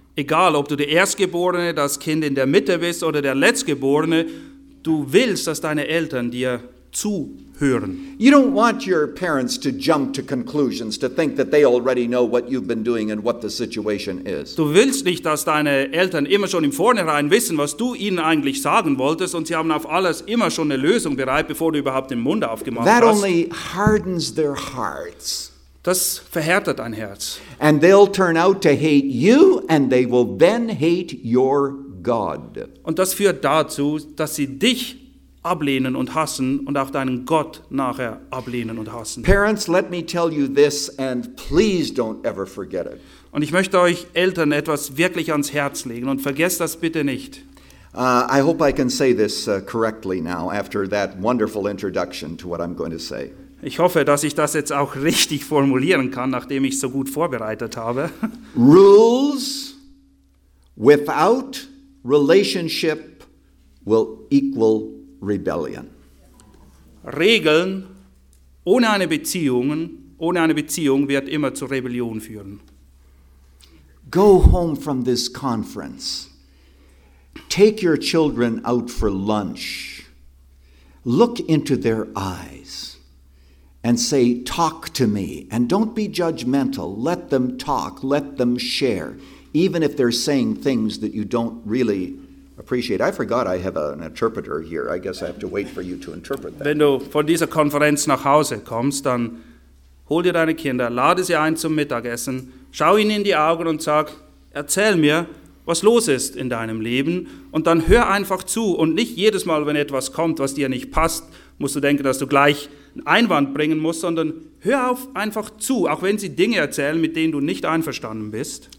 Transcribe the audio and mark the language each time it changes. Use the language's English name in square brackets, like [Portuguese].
[German] Egal, ob du der Erstgeborene, das Kind in der Mitte bist oder der Letztgeborene, du willst, dass deine Eltern dir zuhören. [English] You don't want your parents to jump to conclusions, to think that they already know what you've been doing and what the situation is. [German] Du willst nicht, dass deine Eltern immer schon im Vornherein wissen, was du ihnen eigentlich sagen wolltest, und sie haben auf alles immer schon eine Lösung bereit, bevor du überhaupt den Mund aufgemacht [English] that [German] hast. [English] That only hardens their hearts. [German] Das verhärtet dein Herz. [English] And they'll turn out to hate you, and they will then hate your God. [German] Und das führt dazu, dass sie dich ablehnen und hassen und auch deinen Gott nachher ablehnen und hassen. [English] Parents, let me tell you this, and please don't ever forget it. [German] Und ich möchte euch Eltern etwas wirklich ans Herz legen, und vergesst das bitte nicht. [English] I hope I can say this correctly now after that wonderful introduction to what I'm going to say. [German] Ich hoffe, dass ich das jetzt auch richtig formulieren kann, nachdem ich so gut vorbereitet habe. [English] Rules without relationship will equal rebellion. [German] Regeln ohne eine Beziehung, wird immer zu Rebellion führen. [English] Go home from this conference. Take your children out for lunch. Look into their eyes and say, talk to me. And don't be judgmental. Let them talk. Let them share. Even if they're saying things that you don't really appreciate. I forgot I have an interpreter here. I guess I have to wait for you to interpret that. [German] Wenn du von dieser Konferenz nach Hause kommst, dann hol dir deine Kinder, lade sie ein zum Mittagessen, schau ihnen in die Augen und sag, erzähl mir, was los ist in deinem Leben, und dann hör einfach zu, und nicht jedes Mal, wenn etwas kommt, was dir nicht passt, musst du denken, dass du gleich einen Einwand bringen musst, sondern hör auf einfach zu, auch wenn sie Dinge erzählen, mit denen du nicht einverstanden bist.